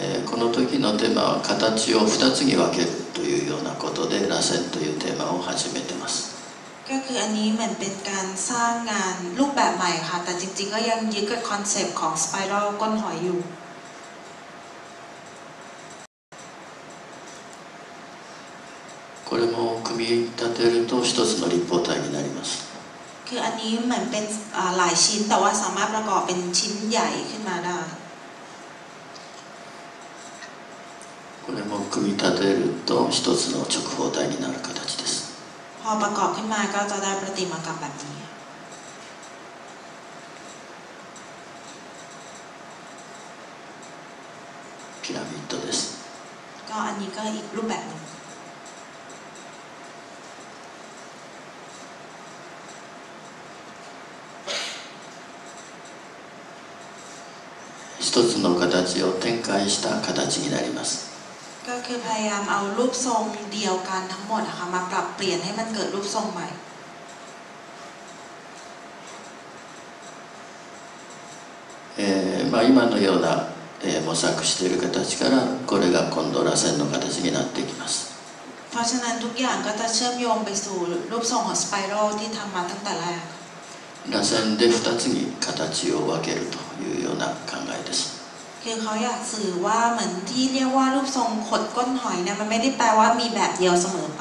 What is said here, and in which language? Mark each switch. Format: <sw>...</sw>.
<ja>この時のテーマは形を2つに分けるというようなことで螺旋というテーマを始めてます。</ja> <th>ก็คืออันนี้เหมือนเป็นการสร้างงานรูปแบบใหม่ค่ะแต่จริงๆก็ยังยึดกับคอนเซ็ปต์ของสไปรัลก้นหอยอยู่</th> <ja>これも組み立てると一つの立方体になります。</ja> <th>คืออันนี้เหมือนเป็นหลายชิ้นแต่ว่าสามารถประกอบเป็นชิ้นใหญ่ขึ้นมาได้</th> <ja>これも組み立てると一つの直方体になる形です。</ja> <th>พอประกอบขึ้นมาก็จะได้ประติมากรรมแบบนี้</th> <ja>ピラミッドです。</ja> <th>ก็อันนี้ก็อีกรูปแบบ</th> <ja>の形を展開した形になります。</ja> <th>ก็คือพยายามเอารูปทรงเดียวกันทั้งหมดนะคะมาปรับเปลี่ยนให้มันเกิดรูปทรงใหม่</th> <ja>まあ今のような模索している形からこれが今度螺旋の形になっていきます。</ja> <th>เพราะฉะนั้นทุกอย่างก็จะเชื่อมโยงไปสู่รูปทรงของสไปรัลที่ทำมาตั้งแต่แรก</th> <ja>螺旋で2つに形を分けるというような考えです。</ja> <th>คือเขาอยากสื่อว่าเหมือนที่เรียกว่ารูปทรงขดก้นหอยเนี่ยมันไม่ได้แปลว่ามีแบบเดียวเสมอไ</th>